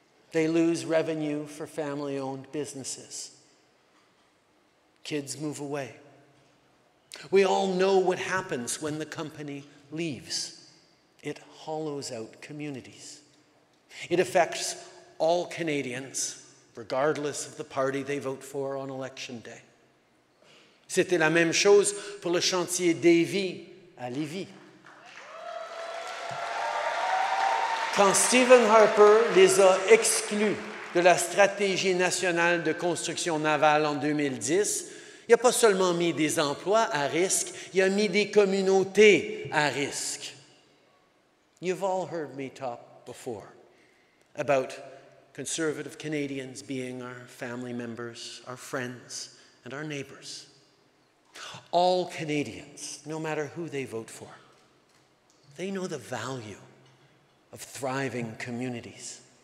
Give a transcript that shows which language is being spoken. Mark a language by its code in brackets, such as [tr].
[en] They lose revenue for family-owned businesses. Kids move away. We all know what happens when the company leaves. It hollows out communities. It affects all Canadians, regardless of the party they vote for on election day. [fr] C'était la même chose pour le chantier Davie à Lévis. Quand Stephen Harper les a exclus de la stratégie nationale de construction navale en 2010, il n'a pas seulement mis des emplois à risque, il a mis des communautés à risque. [en] You've all heard me talk before about conservative Canadians being our family members, our friends, and our neighbors. All Canadians, no matter who they vote for, they know the value of thriving communities.